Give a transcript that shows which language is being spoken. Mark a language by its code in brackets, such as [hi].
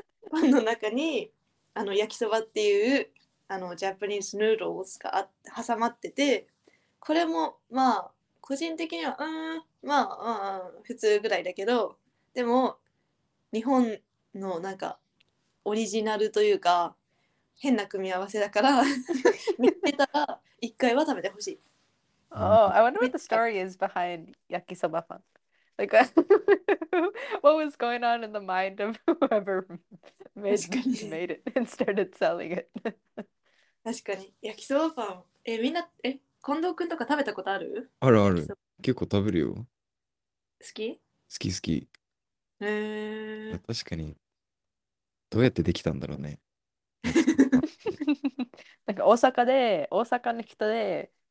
[ja] パンの中にあの焼きそばっていうあのジャパニーズヌードルが挟まってて、これもまあ個人的にはまあ普通ぐらいだけど、でも日本のなんかオリジナルというか変な組み合わせだから見つけたら一回は食べてほしい。 [en] Oh, I wonder what the story is behind yakisoba pan. Like, what was going on in the mind of whoever made it and started selling it? [ja] 確かに、yakisoba pan. みんな、近藤くんとか食べたことある？あるある。結構食べるよ。好き？好き好き。へえ。確かに。どうやってできたんだろうね。なんか大阪の人で。